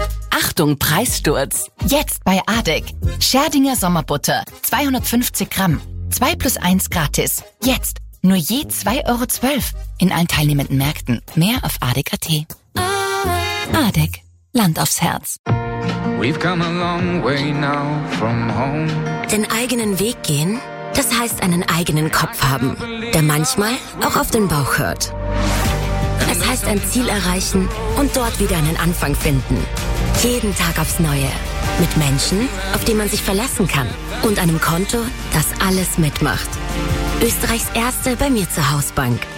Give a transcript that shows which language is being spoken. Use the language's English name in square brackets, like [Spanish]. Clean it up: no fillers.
[German] Achtung, Preissturz. Jetzt bei Adek. Schärdinger Sommerbutter. 250 Gramm. 2 plus 1 gratis. Jetzt. Nur je 2,12 Euro. In allen teilnehmenden Märkten. Mehr auf adek.at. Adek. Land aufs Herz. [English] We've come a long way now from home. [German] Den eigenen Weg gehen, das heißt einen eigenen Kopf haben, der manchmal auch auf den Bauch hört. Es heißt ein Ziel erreichen und dort wieder einen Anfang finden. Jeden Tag aufs Neue. Mit Menschen, auf die man sich verlassen kann. Und einem Konto, das alles mitmacht. Österreichs erste bei mir zur Hausbank.